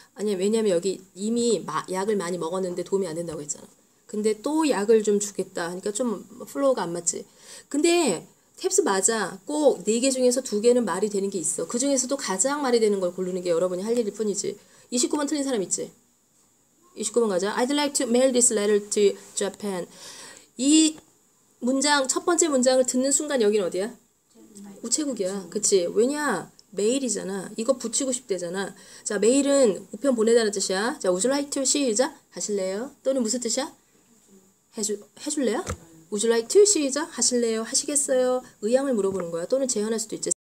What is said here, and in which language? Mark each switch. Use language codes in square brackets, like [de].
[ko] 아니, 왜냐면 여기 이미 약을 많이 먹었는데 도움이 안 된다고 했잖아. 근데 또 약을 좀 주겠다. 그러니까 좀 플로우가 안 맞지. 근데 탭스 맞아. 꼭네개 중에서 두 개는 말이 되는 게 있어. 그중에서도 가장 말이 되는 걸 고르는 게 여러분이 할 일일 뿐이지. 29번 틀린 사람 있지? 29번 가자. [en] I'd like to mail this letter to Japan. [ko] 이 문장, 첫 번째 문장을 듣는 순간 여긴 어디야? 우체국이야. 그치? 왜냐? 메일이잖아. 이거 붙이고 싶대잖아. 자, 메일은 우편 보내다는 뜻이야. 자, would you like to 시작? 하실래요? 또는 무슨 뜻이야? 해줄래요? [en] Would you like to? [ko] 시작. 하실래요? 하시겠어요? 의향을 물어보는 거야. 또는 제안할 수도 있지.